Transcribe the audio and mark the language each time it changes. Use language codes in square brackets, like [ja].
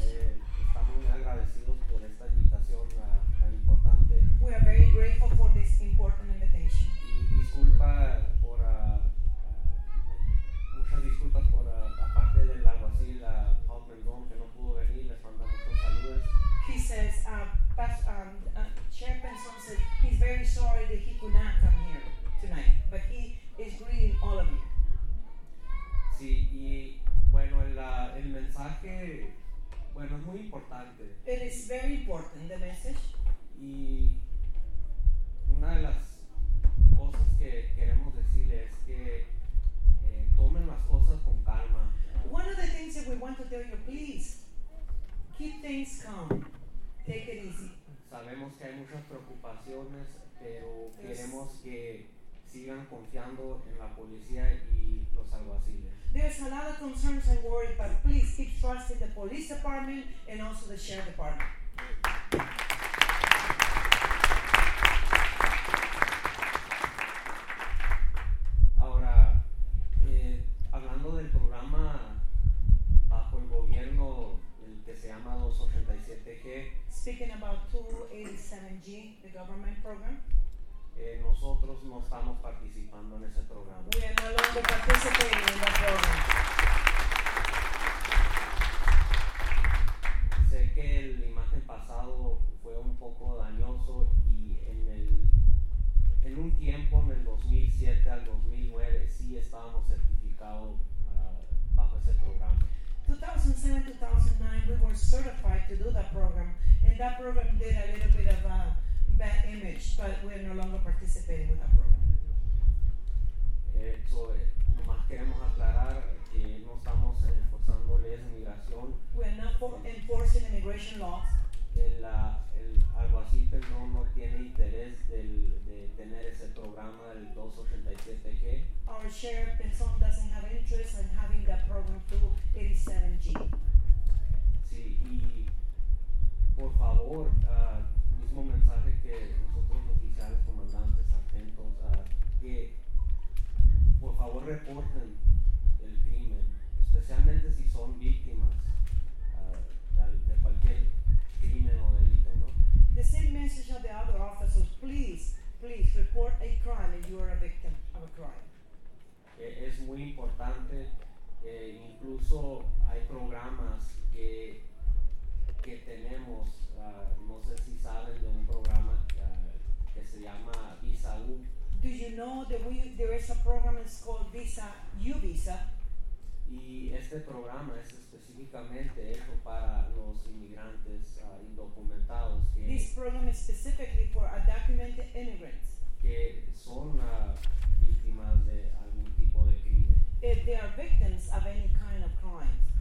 [es] Estamos muy agradecidos por esta invitación tan importante. [en] We are very grateful for this important invitation. [es] Y disculpa por muchas disculpas por aparte del alguacil Paul Mendon que no pudo venir, les mandamos muchos saludos. [en] He says, Chair Benson said he's very sorry that he could not come here tonight, but he is greeting all of you. [es] Sí, y bueno, el mensaje, bueno, es muy importante. [en] It is very important, the message. [es] Y una de las cosas que queremos decirle es que tomen las cosas con calma. [en] One of the things that we want to tell you, please, keep things calm. Take it easy. [es] Sabemos que hay muchas preocupaciones, pero queremos que sigan confiando en la policía y los alguaciles. [en] There's a lot of concerns and worry, but please keep trusting the police department and also the sheriff department. [es] Ahora, hablando del programa bajo el gobierno que se llama 287G. [en] Speaking about 287G, the government program. [es] Nosotros no estamos participando en ese programa. [en] We are no longer participating in that program. [es] Sé que el imagen pasado fue un poco dañoso y en un tiempo, en el 2007 al 2009, sí estábamos certificados bajo ese programa. [en] 2007-2009, we were certified to do that program, and that program did a little bit of a bad image, but we're no longer participating with that program. [es] So, nomás queremos aclarar que no estamos enforzando leyes de migración. [en] We're not enforcing immigration laws. [es] El alguacil no tiene interés de tener ese programa del 287G. [en] Our sheriff Benson doesn't have interest in having that program 287G. [es] Sí, y por favor, mismo mensaje que nosotros oficiales, comandantes, sargentos, que por favor reporten el crimen, especialmente si son víctimas de cualquier crimen o delito, ¿no? [en] The same message of the other officers, please report a crime if you are a victim of a crime. [es] Es muy importante, incluso hay programas que tenemos, no sé si saben de un programa que se llama Visa U. [en] Do you know that there is a program that's called Visa U Visa? [es] Y este programa es específicamente hecho para los inmigrantes indocumentados. [en] This program is specifically for undocumented immigrants. [es] Que son víctimas de algún tipo de crimen. [en] If they are victims of any kind of crime.